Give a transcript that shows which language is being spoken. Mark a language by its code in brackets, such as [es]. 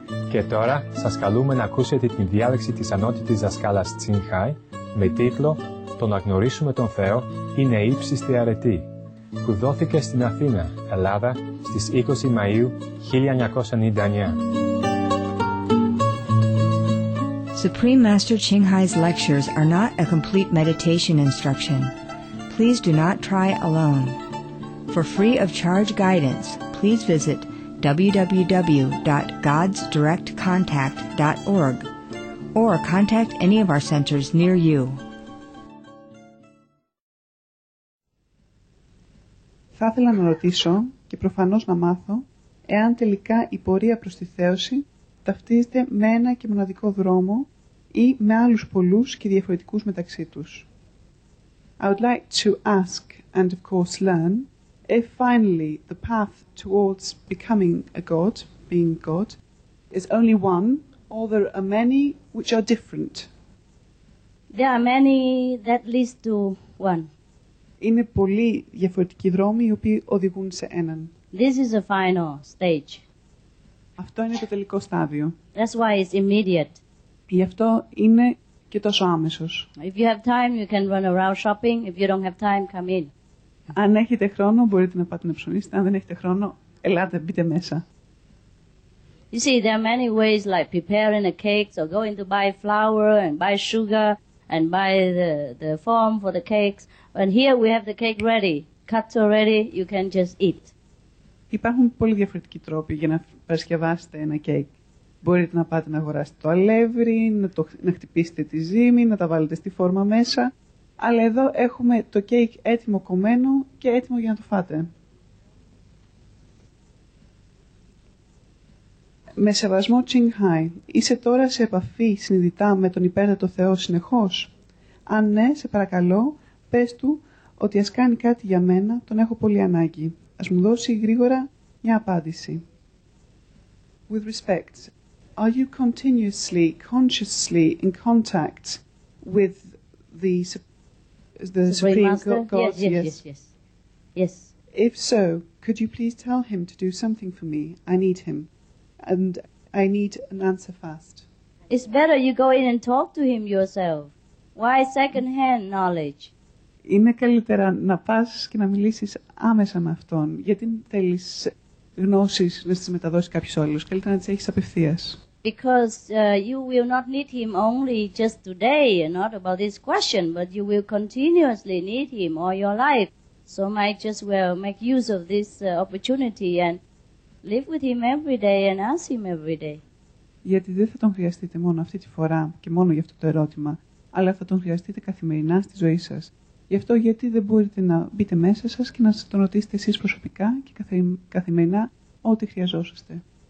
[el] Και τώρα σας καλούμε να ακούσετε την διάλεξη της ανώτητης δασκάλας Τσινχάι με τίτλο «Το να γνωρίσουμε τον Θεό είναι ύψιστη αρετή», που δόθηκε στην Αθήνα, Ελλάδα, στις 20 Μαΐου 1999. [en] Supreme Master Tsinghai's lectures are not a complete meditation instruction. Please do not try alone. For free of charge guidance, please visit www.godsdirectcontact.org or contact any of our centers near you. [el] Θα ήθελα να ρωτήσω και προφανώς να μάθω εάν τελικά η πορεία προς τη θέωση ταυτίζεται με ένα και μοναδικό δρόμο ή με άλλους πολλούς και διαφορετικούς μεταξύ τους. [en] I would like to ask and of course learn if finally the path towards becoming a god, being god, is only one or there are many which are different. There are many that leads to one. [el] είναι πολύ διαφορετικοί δρόμοι οι οποίοι οδηγούν σε έναν. [en] This is the final stage. [el] Αυτό είναι το τελικό στάδιο. [en] That's why it's immediate. [el] Γι' αυτό είναι και τόσο άμεσος. [en] If you have time, you can run around shopping. If you don't have time, come in. [el] Αν έχετε χρόνο, μπορείτε να πάτε να ψωνίσετε. Αν δεν έχετε χρόνο, ελάτε, μπείτε μέσα. [en] You see, there are many ways like preparing a cake, so going to buy flour and buy sugar and buy the form for the cakes. And here we have the cake ready, cut already, you can just eat. [el] Υπάρχουν πολύ διαφορετικοί τρόποι για να παρασκευάσετε ένα κέικ. Μπορείτε να πάτε να αγοράσετε το αλεύρι, να χτυπήσετε τη ζύμη, να τα βάλετε στη φόρμα μέσα. Αλλά εδώ έχουμε το κέικ έτοιμο κομμένο και έτοιμο για να το φάτε. Με σεβασμό Τσινγχάι, είσαι τώρα σε επαφή συνειδητά με τον υπέρτατο Θεό συνεχώς? Αν ναι, σε παρακαλώ, πες του ότι ας κάνει κάτι για μένα, τον έχω πολύ ανάγκη. Ας μου δώσει γρήγορα μια απάντηση. [en] With respect, are you continuously, consciously in contact with the Supreme Master? God? Yes. If so, could you please tell him to do something for me? I need him. And I need an answer fast. It's better you go in and talk to him yourself. Why second-hand knowledge? [el] Είναι καλύτερα να πας και να μιλήσεις άμεσα με αυτόν. Γιατί θέλεις γνώσεις να τις μεταδώσεις κάποιος άλλος. Καλύτερα να τις έχεις απευθείας. [en] Because you will not need him only just today, not about this question, but you will continuously need him all your life. So might just well make use of this opportunity and live with him every day and ask him every day. [el] Γιατί δεν θα τον χρειαστείτε μόνο αυτή τη φορά και μόνο για αυτό το ερώτημα, αλλά θα τον χρειαστείτε καθημερινά στη ζωή σας. Γι' αυτό γιατί δεν μπορείτε να μπείτε μέσα σας και να σας τον ρωτήσετε εσείς προσωπικά και καθημερινά ό,τι χρειαζόσαστε.